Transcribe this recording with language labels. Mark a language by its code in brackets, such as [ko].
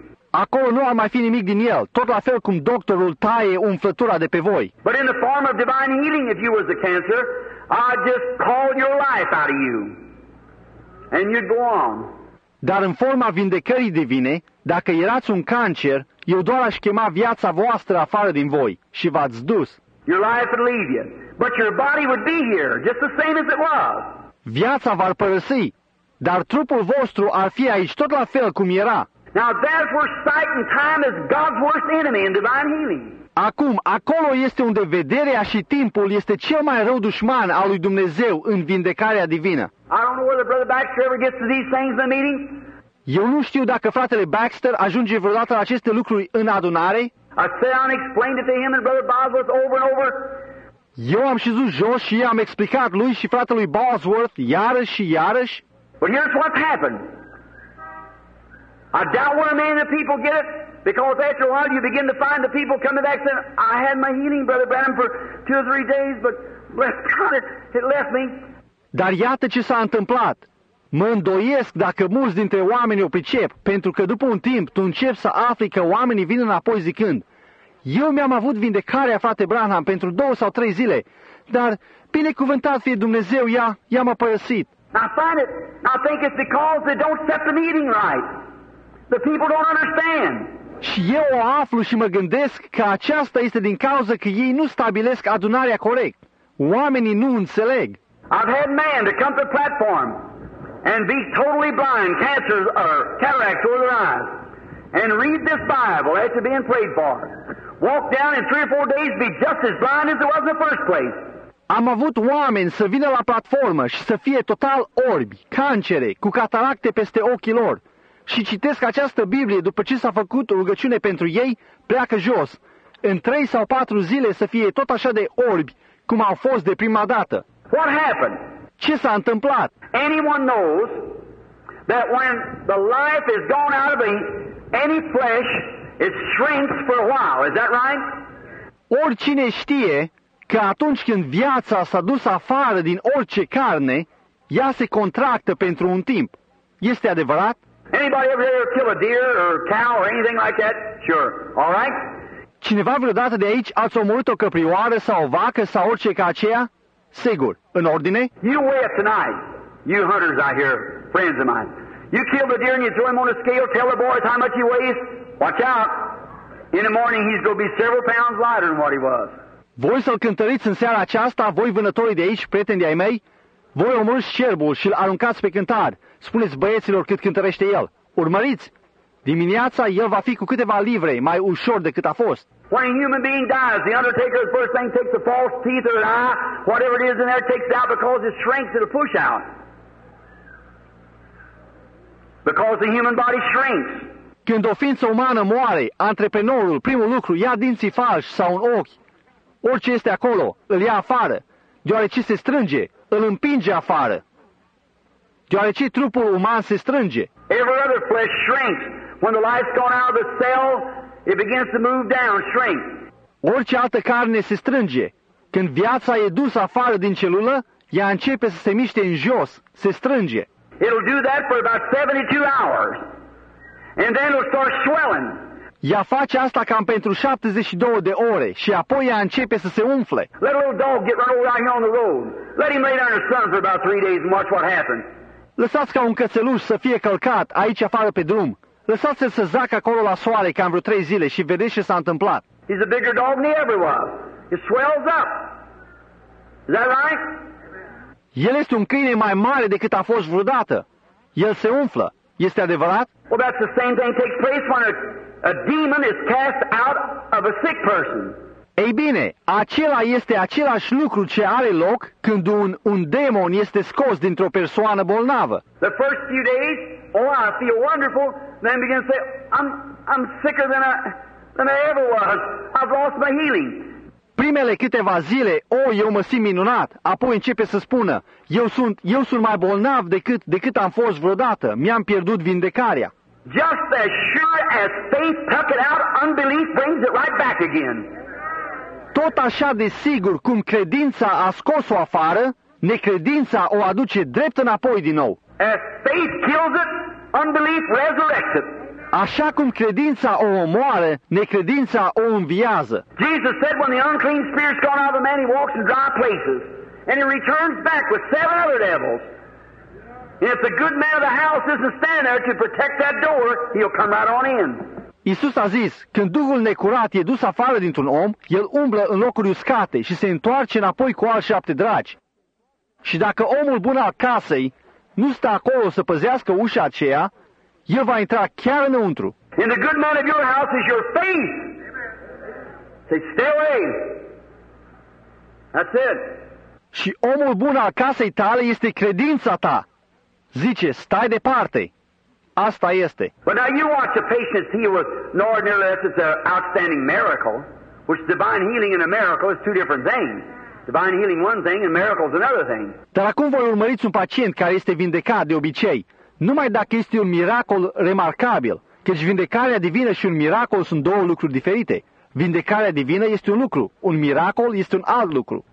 [ro] Acolo nu ar mai fi nimic din el, tot la fel cum doctorul taie umflătura de pe voi. [en] But in the form of divine healing, if you was a cancer, I'd just call your life out of you. And you'd go on. [ro] Dar în forma vindecării divine, dacă erați un cancer, eu doar aș chema viața voastră afară din voi și v-ați dus. [en] Your life would leave you, but your body would be here, just the same as it was. [ro] Viața v-ar părăsi, dar trupul vostru ar fi aici tot la fel cum era. [en] Now that's where sight and time is God's worst enemy in divine healing. [ro] Acum, acolo este unde vederea și timpul este cel mai rău dușman al lui Dumnezeu în vindecarea divină. [en] I don't know whether Brother Baxter ever gets to these things in the meeting. [ro] Eu nu știu dacă fratele Baxter ajunge vreodată la aceste lucruri în adunare. [en] I sat down and explained it to him and Brother Bosworth over and over. [ro] Eu am șezut jos și i-am explicat lui și fratelui Bosworth iarăși și iarăși. [en] But here's what happened. I doubt what a man of people get it, because after a while you begin to find the people coming back saying, I had my healing, Brother Branham, for two or three days, but bless God, it left me. [ro] Dar iată ce s-a întâmplat. Mă îndoiesc dacă mulți dintre oamenii o pricep, pentru că după un timp tu începi să afli că oamenii vin înapoi zicând, Eu mi-am avut vindecarea, frate Branham, pentru 2 sau 3 zile, dar binecuvântat fie Dumnezeu, ea m-a părăsit. [en] I find it, I think it's because they don't set the meeting right. The people don't understand. [ro] Și eu o aflu și mă gândesc că aceasta este din cauza că ei nu stabilesc adunarea corect. Oamenii nu înțeleg. [en] I've had man to come to the platform and be totally blind, cancer or cataracts over their eyes, and read this Bible after being prayed for. Walk down in 3 or 4 days, be just as blind as it was in the first place. [ro] Am avut oameni să vină la platformă și să fie total orbi, cancere, cu cataracte peste ochii lor. Și citesc această Biblie după ce s-a făcut o rugăciune pentru ei, pleacă jos. În 3 sau 4 zile să fie tot așa de orbi cum au fost de prima dată. [en] What happened? [ro] Ce s-a întâmplat? [en] Anyone knows that when the life is gone out of any flesh, it shrinks for a while. Is that right? [ro] Oricine știe că atunci când viața s-a dus afară din orice carne, ea se contractă pentru un timp. Este adevărat? [en] Anybody ever here kill a deer or a cow or anything like that? Sure. All right? [ro] Cineva vreodată de aici ați omorât o căprioară sau o vacă sau orice ca aceea? Sigur. În ordine? [en] You wait tonight. You hunters out here, friends of mine. You kill the deer and you throw him on a scale, tell the boys how much he weighs. Watch out. In the morning he's going to be several pounds lighter than what he was. [ro] Voi să-l cântăriți în seara aceasta, voi vânătorii de aici, prieteni de ai mei? Voi omorâți cerbul și-l aruncați pe cântar. Spuneți băieților cât cântărește el. Urmăriți! Dimineața el va fi cu câteva livre, mai ușor decât a fost. [en] When a human being dies, the undertaker's first thing takes the false teeth or an eye, whatever it is in there, takes it out because it shrinks, it'll push out. Because the human body shrinks. [ro] Când o ființă umană moare, antreprenorul, primul lucru, ia dinții falși sau un ochi. Orice este acolo, îl ia afară, deoarece se strânge, îl împinge afară, deoarece trupul uman se strânge. [en] Every other flesh shrinks. When the life's gone out of the cell, it begins to move down, shrink. [ro] Orice altă carne se strânge. Când viața e dusă afară din celulă, ea începe să se miște în jos, se strânge. [en] It'll do that for about 72 hours. And then it'll start swelling. [ro] Ea face asta cam pentru 72 de ore și apoi ea începe să se umfle. [en] Let a little dog get run over out here on the road. Let him lay down in the sun for about 3 days and watch what happens. [ro] Lăsați ca un cățeluș să fie călcat aici afară pe drum. Lăsați-l să zacă acolo la soare cam vreo 3 zile și vedeți ce s-a întâmplat. [en] He's a bigger dog than he ever was. It swells up. Is that right? [ro] El este un câine mai mare decât a fost vreodată. El se umflă. Este adevărat? [en] Well, that's the same thing takes place when a demon is cast out of a sick person. [ro] Ei bine, acela este același lucru ce are loc când un demon este scos dintr-o persoană bolnavă. [en] The first few days, oh, I feel wonderful. Then begin to say, I'm sicker than I ever was. I've lost my healing. [ro] Primele câteva zile, eu mă simt minunat. Apoi începe să spună, eu sunt mai bolnav decât am fost vreodată. Mi-am pierdut vindecarea. [en] Just as sure as faith tuck it out, unbelief brings it right back again. [ro] Tot așa de sigur cum credința a scos-o afară, necredința o aduce drept înapoi din nou. [en] As faith kills it, unbelief resurrects it. [ro] Așa cum credința o omoară, necredința o înviază. [en] Jesus said when the unclean spirit's gone out of a man, he walks in dry places, and he returns back with 7 other devils. If the good man of the house doesn't stand there to protect that door, he'll come right on in. [ro] Iisus a zis, când duhul necurat e dus afară dintr-un om, el umblă în locuri uscate și se întoarce înapoi cu alți 7 dragi. Și dacă omul bun al casei nu stă acolo să păzească ușa aceea, el va intra chiar înăuntru. [en] And the good man of your house is your faith. Say, stay away. That's it. [ro] Și omul bun al casei tale este credința ta. Zice, stai departe. Asta este. [en] But now you watch the patients heal with no ordinary less. It's an outstanding miracle, which divine healing and a miracle is 2 different things. Divine healing one thing and miracle is another thing. [ro] Dar acum voi urmăriți un pacient care este vindecat de obicei, numai dacă este un miracol remarcabil, căci vindecarea divină și un miracol sunt 2 lucruri diferite. Vindecarea divină este un lucru, un miracol este un alt lucru.